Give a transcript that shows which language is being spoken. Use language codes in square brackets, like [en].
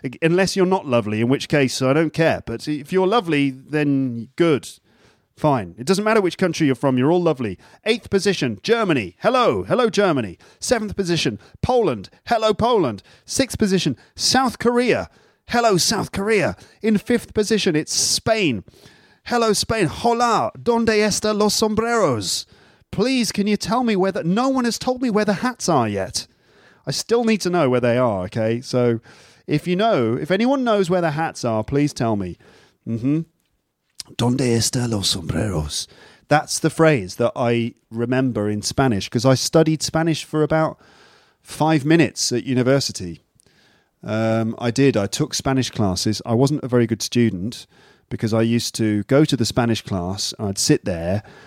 [en] Unless you're not lovely, in which case, I don't care. But if you're lovely, then good. Fine. It doesn't matter which country you're from. You're all lovely. Eighth position, Germany. Hello. Hello, Germany. Seventh position, Poland. Hello, Poland. Sixth position, South Korea. Hello, South Korea. In fifth position, it's Spain. Hello, Spain. [es] Hola, ¿dónde están los sombreros? [en] Please, can you tell me where the... No one has told me where the hats are yet. I still need to know where they are, okay? So if you know, if anyone knows where the hats are, please tell me. Mm-hmm. [es] ¿Dónde están los sombreros? [en] That's the phrase that I remember in Spanish because I studied Spanish for about 5 minutes at university. I did. I took Spanish classes. I wasn't a very good student because I used to go to the Spanish class and I'd sit there.